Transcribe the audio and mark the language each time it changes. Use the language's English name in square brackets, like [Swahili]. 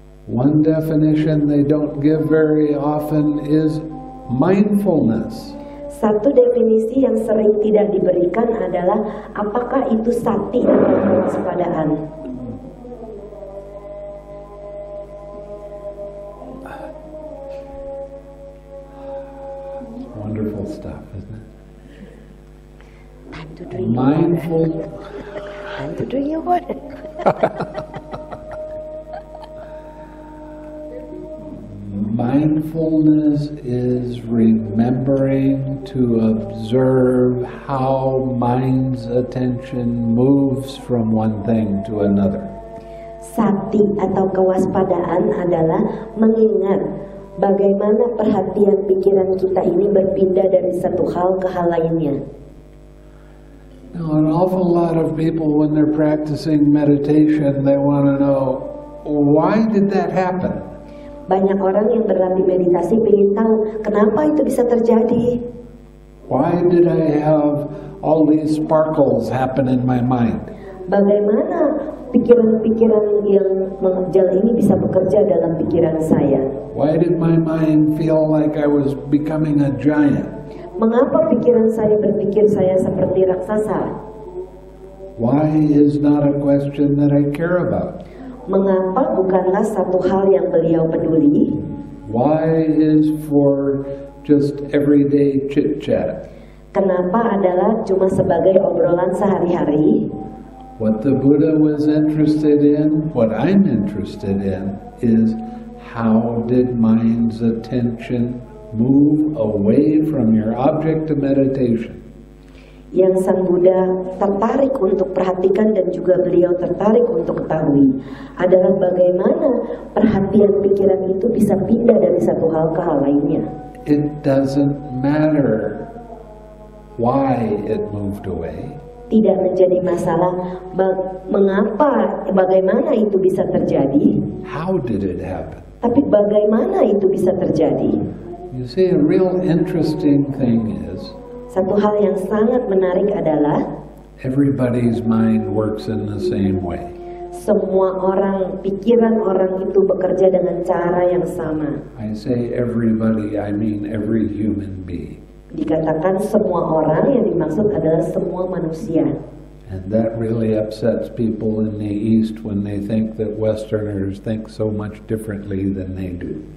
[English] One definition they don't give very often is mindfulness. [Indonesian] Satu definisi yang sering tidak diberikan adalah apakah itu sati atau kewaspadaan. [English] Wonderful stuff, isn't it? Time to drink mindful. Your water. Time to drink your water. Mindfulness is remembering to observe how mind's attention moves from one thing to another. [Indonesian] sati atau kewaspadaan adalah mengingat bagaimana perhatian pikiran kita ini berpindah dari satu hal ke hal lainnya. [English] Now, an awful lot of people when they're practicing meditation, they want to know why did that happen? [Indonesian] Banyak orang yang berlatih meditasi ingin tahu kenapa itu bisa terjadi. [English] Why did I have all these sparkles happen in my mind? [Indonesian] Bagaimana pikiran-pikiran yang mengejal ini bisa bekerja dalam pikiran saya? [English] Why did my mind feel like I was becoming a giant? [Indonesian] Mengapa pikiran saya berpikir saya seperti raksasa? [English] Why is not a question that I care about? [Indonesian] Mengapa bukanlah satu hal yang beliau peduli? [English] Why is for just everyday chit-chat? [Indonesian] Kenapa adalah cuma sebagai obrolan sehari-hari? [English] What the Buddha was interested in, what I'm interested in, is how did mind's attention move away from your object of meditation? [Indonesian] Yang Sang Buddha tertarik untuk perhatikan dan juga beliau tertarik untuk ketahui adalah bagaimana perhatian pikiran itu bisa pindah dari satu hal ke hal lainnya. [English] It doesn't matter why it moved away. [Indonesian] Tidak menjadi masalah mengapa, bagaimana itu bisa terjadi. [English] How did it happen? [Indonesian] Tapi bagaimana itu bisa terjadi? [English] You see, a real interesting thing is, [Indonesian] satu hal yang sangat menarik adalah, [English] everybody's mind works in the same way. [Indonesian] Semua orang, pikiran orang itu bekerja dengan cara yang sama. [English] I say everybody, I mean every human being. [Indonesian] Dikatakan semua orang yang dimaksud adalah semua manusia. [English] And that really upsets people in the East when they think that Westerners think so much differently than they do.